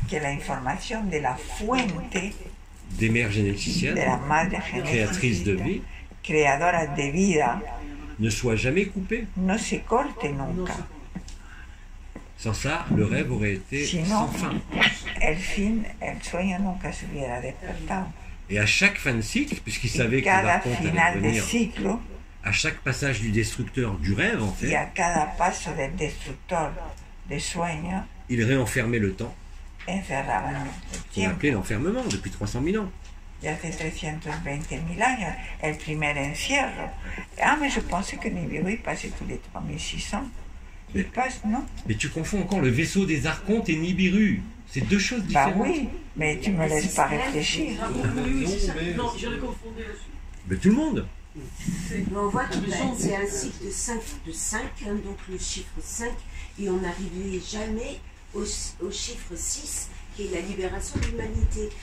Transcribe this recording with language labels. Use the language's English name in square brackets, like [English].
[Spanish] que la información de la fuente [French] des mères généticiennes, [Spanish] de la madre génétique, [French] créatrice de vie, [Spanish] creadora de vida, [French] ne soit jamais coupée, [Spanish] no se corte nunca. [French] Sans ça, le rêve aurait été [Spanish] sinon, [French] sans fin. [Spanish] El fin, el sueño nunca se hubiera despertado. [French] Et à chaque fin de cycle, puisqu'il savait que la fonte [Spanish] final [French] allait venir, [Spanish] de ciclo, [French] à chaque passage du destructeur du rêve, en fait, [Spanish] y a cada paso del destructor de sueño, [French] il réenfermait le temps. [Spanish] Encerraba el tiempo. [French] Qu'on appelait l'enfermement depuis 300 000 ans. [Spanish] Y hace 320 000 años, el primer encierro. [French] Ah, mais je pensais que Nibiru y pasé tous les 3600. Il passe, non? Mais tu confonds encore le vaisseau des archontes et Nibiru. C'est deux choses différentes. Bah oui, mais tu me laisses pas réfléchir. Non, je l'ai confondu aussi. Mais tout le monde. Mais on voit que c'est un cycle de 5, de 5, hein, donc le chiffre 5, et on n'arriverait jamais au chiffre 6, qui est la libération de l'humanité.